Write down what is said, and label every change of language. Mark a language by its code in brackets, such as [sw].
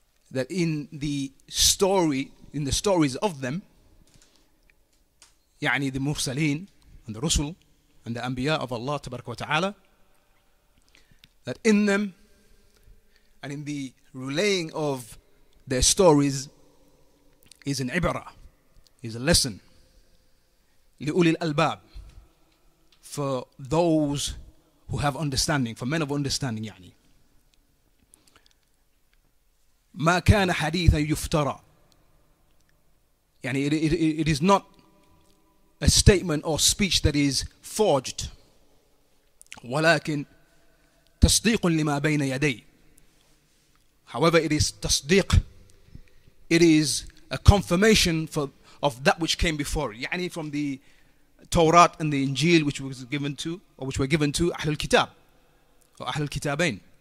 [en] That in the story, in the stories of them, يعني the مرسلين and the رسل and the أنبياء of Allah Ta'ala, that in them and in the relaying of their stories is an عبرة. Is a lesson [ar] لأولي الألباب [en] for those who have understanding, for men of understanding. [ar] يعني ما كان حديثا يفترى يعني [en] it is not a statement or speech that is forged [ar] ولكن تصديق لما بين يدي. [en] However, it is تصديق, it is a confirmation for of that which came before, يعني from the Torah and the Injil which was given to, or which were given to أهل الكتاب, or أهل الكتابين.